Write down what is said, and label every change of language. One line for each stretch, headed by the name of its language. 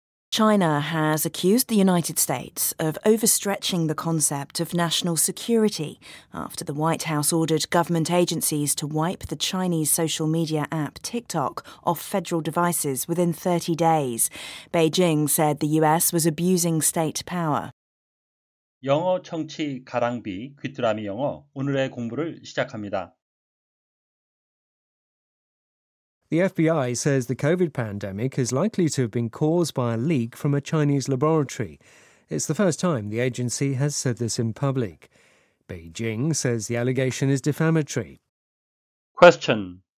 English: China has accused the United States of overstretching the concept of national security after the White House ordered government agencies to wipe the Chinese social media app TikTok off federal devices within 30 days. Beijing said the US was abusing state power.
Korean: 영어 청취 가랑비 귀뚜라미 영어 오늘의 공부를 시작합니다.
English: The FBI says the COVID pandemic is likely to have been caused by a leak from a Chinese laboratory. It's the first time the agency has said this in public. Beijing says the allegation is defamatory. Question.